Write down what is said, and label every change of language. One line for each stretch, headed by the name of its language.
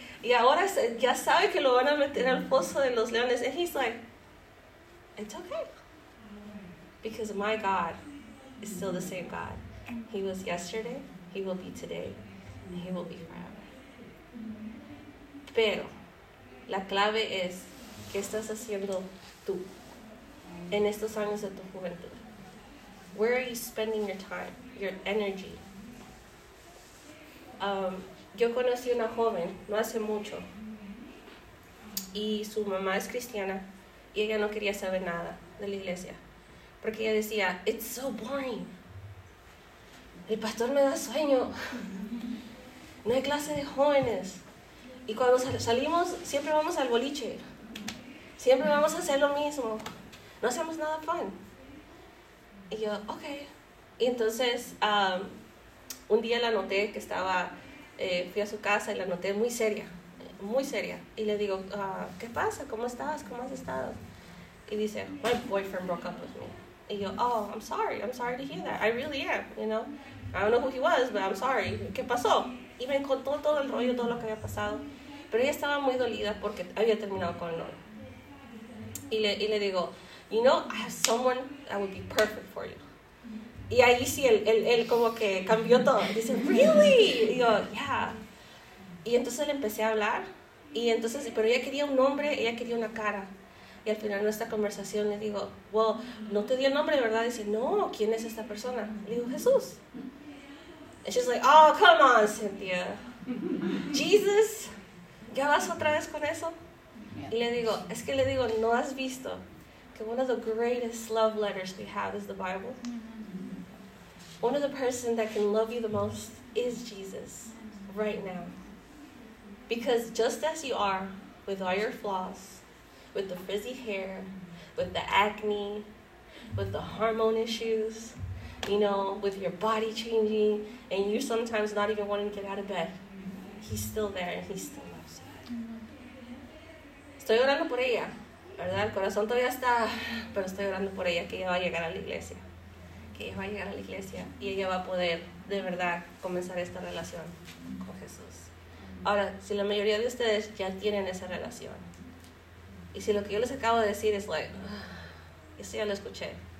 Spanish: Y ahora ya sabe que lo van a meter al pozo de los leones.
English: And he's like, it's okay. Because my God is still the same God. He was yesterday, he will be today, and he will be forever.
Spanish: Pero, la clave es, ¿qué estás haciendo tú en estos años de tu juventud?
English: Where are you spending your time, your energy?
Spanish: Yo conocí una joven, no hace mucho, y su mamá es cristiana, y ella no quería saber nada de la iglesia. Porque ella decía,
English: it's so boring.
Spanish: El pastor me da sueño. No hay clase de jóvenes. Y cuando salimos, siempre vamos al boliche. Siempre vamos a hacer lo mismo. No hacemos nada fun. Y yo, okay. Y entonces, un día la noté que estaba, fui a su casa y la noté muy seria. Muy seria. Y le digo, ¿qué pasa? ¿Cómo estás? ¿Cómo has estado? Y dice,
English: my boyfriend broke up with me.
Spanish: Y yo,
English: oh, I'm sorry to hear that. I really am, you know. I don't know who he was, but I'm sorry.
Spanish: ¿Qué pasó? Y me contó todo el rollo, todo lo que había pasado. Pero ella estaba muy dolida porque había terminado con el novio. Y le digo,
English: you know, I have someone that would be perfect for you.
Spanish: Y ahí sí, él como que cambió todo. Dice, really? Y yo, yeah. Y entonces le empecé a hablar. Y entonces, pero ella quería un nombre, ella quería una cara. Y al final de nuestra conversación le digo, well, no te di el nombre, ¿verdad? Dice, no, ¿quién es esta persona? Le digo, Jesús.
English: And she's like, oh, come on,
Spanish: Cynthia. Jesus, ¿ya vas otra vez con eso? Y le digo, es que le digo, ¿no has visto que
English: one of the greatest love letters we have is the Bible? One of the persons that can love you the most is Jesus right now. Because just as you are with all your flaws, with the frizzy hair, with the acne, with the hormone issues, you know, with your body changing, and you sometimes not even wanting to get out of bed, he's still there, and he still loves you.
Spanish: Estoy orando por ella, ¿verdad? El corazón todavía está, pero estoy orando por ella, que ella va a llegar a la iglesia. Que ella va a llegar a la iglesia, y ella va a poder, de verdad, comenzar esta relación con Jesús. Ahora, si la mayoría de ustedes ya tienen esa relación, y si lo que yo les acabo de decir es like, eso ya lo escuché.